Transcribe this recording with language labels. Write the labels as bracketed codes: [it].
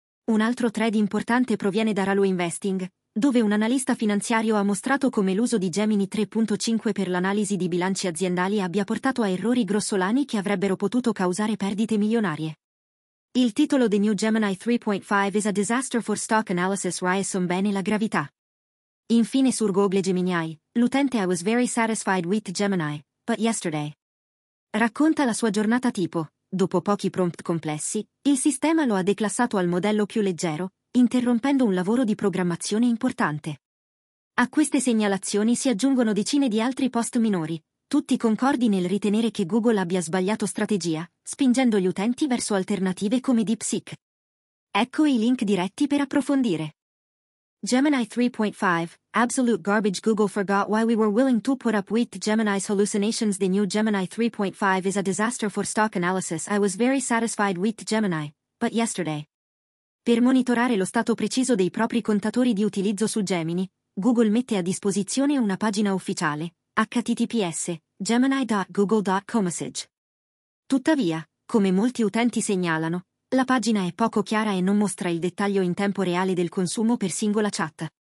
[it] Un altro thread importante proviene da Ralu Investing, dove un analista finanziario ha mostrato come l'uso di Gemini 3.5 per l'analisi di bilanci aziendali abbia portato a errori grossolani che avrebbero potuto causare perdite milionarie. Il titolo [en] The New Gemini 3.5 is a Disaster for Stock Analysis [it] Riassume bene la gravità. Infine su Google Gemini, l'utente [en] I was very satisfied with Gemini, but yesterday. [it] Racconta la sua giornata tipo, dopo pochi prompt complessi, il sistema lo ha declassato al modello più leggero, interrompendo un lavoro di programmazione importante. A queste segnalazioni si aggiungono decine di altri post minori, tutti concordi nel ritenere che Google abbia sbagliato strategia, spingendo gli utenti verso alternative come DeepSeek. Ecco i link diretti per approfondire. [en] Gemini 3.5, absolute garbage. Google forgot why we were willing to put up with Gemini's hallucinations. The new Gemini 3.5 is a disaster for stock analysis. I was very satisfied with Gemini, but yesterday. [it] Per monitorare lo stato preciso dei propri contatori di utilizzo su Gemini, Google mette a disposizione una pagina ufficiale, https://gemini.google.com. Tuttavia, come molti utenti segnalano, la pagina è poco chiara e non mostra il dettaglio in tempo reale del consumo per singola chat.